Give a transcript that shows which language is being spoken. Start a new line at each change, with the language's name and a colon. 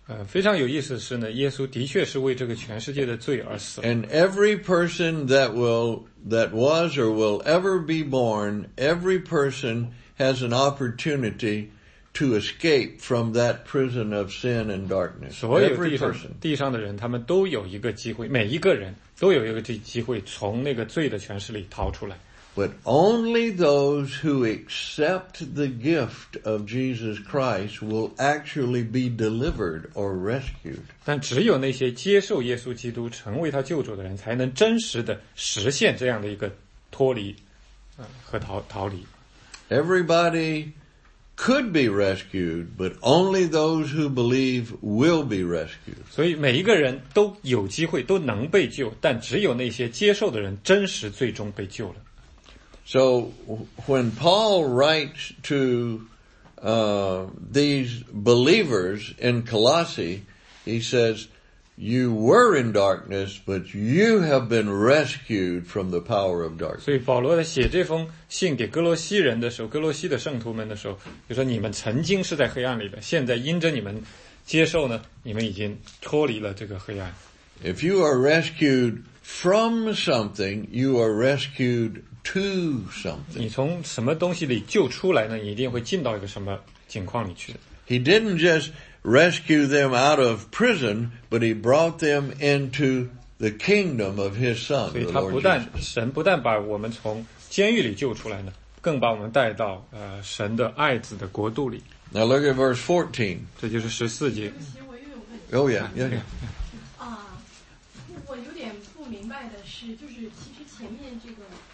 Chinese: 非常有意思的是呢，耶稣的确是为这个全世界的罪而死。
English: And every person that was or will ever be born, every person has an opportunity to escape from that prison of sin and darkness. Every person.
Chinese: 地上的人他们都有一个机会，每一个人都有一个机会从那个罪的权势里逃出来。
English: But only those who accept the gift of Jesus Christ will actually be delivered or rescued.
Chinese: 但只有那些接受耶稣基督成为他救主的人才能真实的实现这样的一个脱离和逃离。
English: Everybody could be rescued, but only those who believe will be rescued.
Chinese: 所以每一个人都有机会都能被救，但只有那些接受的人真实最终被救了。
English: So when Paul writes to these believers in Colossae, he says, you were in darkness, but you have been rescued from the power of darkness.
Chinese: 所以保罗在写这封信给哥罗西人的时候，哥罗西的圣徒们的时候，就说你们曾经是在黑暗里的，现在因着你们接受呢，你们已经脱离了这个黑暗。
English: If you are rescued from something, you are rescued to something.
Chinese: 你从什么东西里救出来呢？你一定会进到一个什么境况里去。
English: He didn't just rescue them out of prison, but he brought them into the kingdom of His Son.
Chinese: 所以他不但神不但把我们从监狱里救出来呢，更把我们带到神的爱子的国度里。
English: Now look at verse 14.
Chinese: 这就是十四节。
English: Oh yeah, yeah, yeah.
Chinese: 我有点不明白的是，就是其实前面这个。